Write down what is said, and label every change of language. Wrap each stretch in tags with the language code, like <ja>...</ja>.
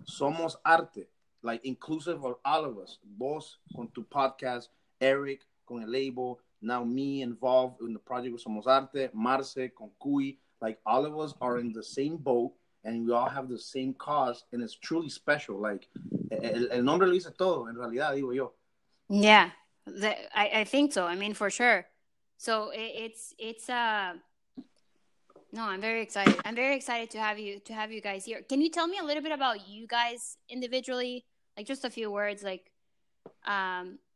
<en>Somos Arte, like inclusive of all of us.</en> <es>Vos con tu podcast,</es> <en>Eric</en> <es>con el label,</es> <en>now me involved in the project with Somos Arte, Marce</en> <es>con Cuy.</es> <en>Like all of us are in the same boat. And we all have the same cause, and it's truly special.</en> <es>Like, el nombre lo dice todo, en realidad, digo yo.</es> <en>Yeah, I think so. I mean, for sure. So it's I'm very excited. I'm very excited to have you guys here. Can you tell me a little bit about you guys individually? Like, just a few words, like, about.</en>